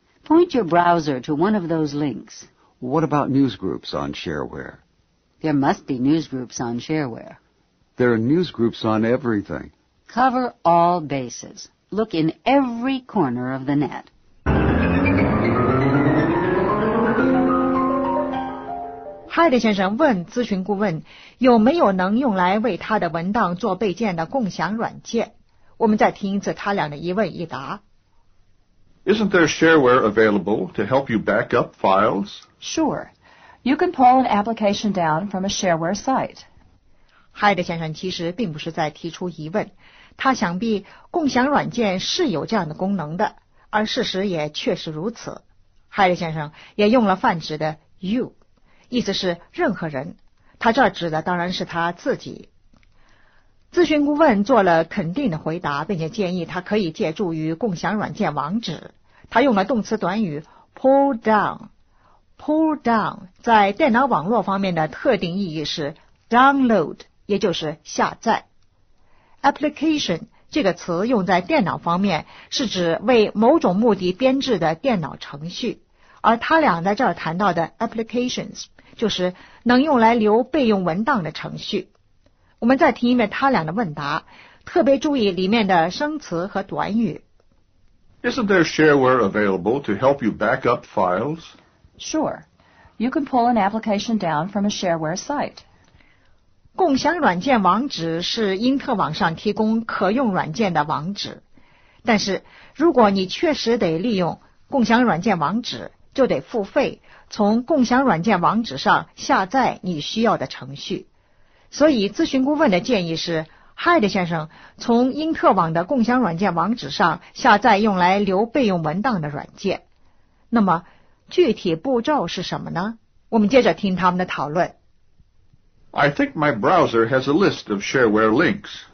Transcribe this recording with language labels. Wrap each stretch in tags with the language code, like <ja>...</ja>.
<en>Point your browser to one of those links. What about newsgroups on shareware? There must be newsgroups on shareware. There are newsgroups on everything. Cover all bases. Look in every corner of the net.</en> <zh>Hyde 先生问咨询顾问有没有能用来为他的文档做备件的共享软件。我们再听一次他俩的一问一答。</zh> <en>Isn't there shareware available to help you back up files? Sure. You can pull an application down from a shareware site.</en> <zh>Hyde 先生其实并不是在提出疑问，他想必共享软件是有这样的功能的，而事实也确实如此。 Hyde 先生也用了泛指的 you， 意思是任何人，他这指的当然是他自己。咨询顾问做了肯定的回答，并且建议他可以借助于共享软件网址。他用了动词短语 pull down。 pull down 在电脑网络方面的特定意义是 download 也就是下载。application 这个词用在电脑方面，是指为某种目的编制的电脑程序，而他俩在这儿谈到的 applications 就是能用来留备用文档的程序。我们再听一遍他俩的问答，特别注意里面的生词和短语。 Isn't there shareware available to help you back up files? Sure. You can pull an application down from a shareware site. 共享软件网址是英特网上提供可用软件的网址。但是如果你确实得利用共享软件网址，就得付费，从共享软件网址上下载你需要的程序。所以咨询顾问的建议是，海德先生从英特网的共享软件网址上下载用来留备用文档的软件。那么具体步骤是什么呢？我们接着听他们的讨论。</zh> <en>I think my browser has a list of shareware links.</en>